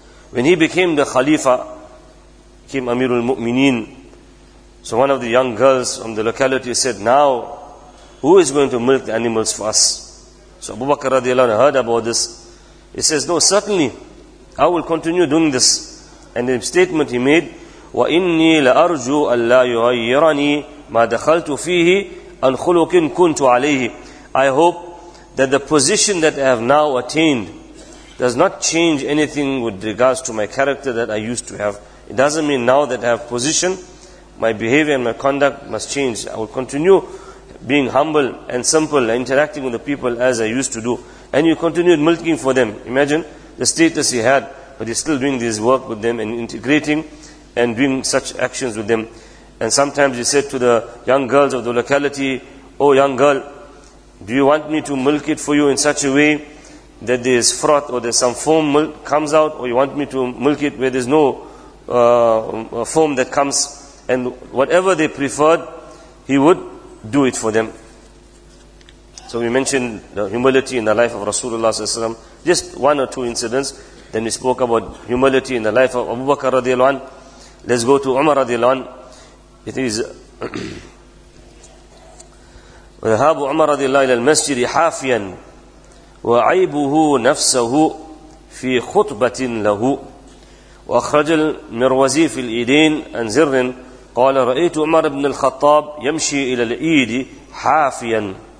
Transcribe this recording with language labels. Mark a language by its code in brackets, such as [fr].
[en] When he became the Khalifa, became Amirul Mu'mineen, so one of the young girls from the locality said, now, who is going to milk the animals for us? So Abu Bakr radiallahu anhu heard about this. He says, no, certainly, I will continue doing this. And the statement he made, [ar] وَإِنِّي لَأَرْجُوا أَلَّا يُغَيِّرَنِي مَا دَخَلْتُ فِيهِ أَنْ خُلُقٍ كُنْتُ عَلَيْهِ. [en] I hope that the position that I have now attained does not change anything with regards to my character that I used to have. It doesn't mean now that I have position, my behavior and my conduct must change. I will continue being humble and simple, interacting with the people as I used to do. And he continued milking for them. Imagine the status he had, but he's still doing this work with them and integrating and doing such actions with them. And sometimes he said to the young girls of the locality, oh young girl, do you want me to milk it for you in such a way that there is froth or there's some foam milk comes out, or you want me to milk it where there's no foam that comes? And whatever they preferred, he would do it for them. So we mentioned the humility in the life of Rasulullah ﷺ. Just one or two incidents. Then we spoke about humility in the life of Abu Bakr radiallahu anhu. Let's go to Umar radiallahu anhu. It is [ar] وذهاب عمر رضي الله إلى المسجد حافيا وعيبه نفسه في خطبة له وأخرج المروزي في الإيدين عن زر قال رأيت عمر بن الخطاب يمشي إلى الإيد حافيا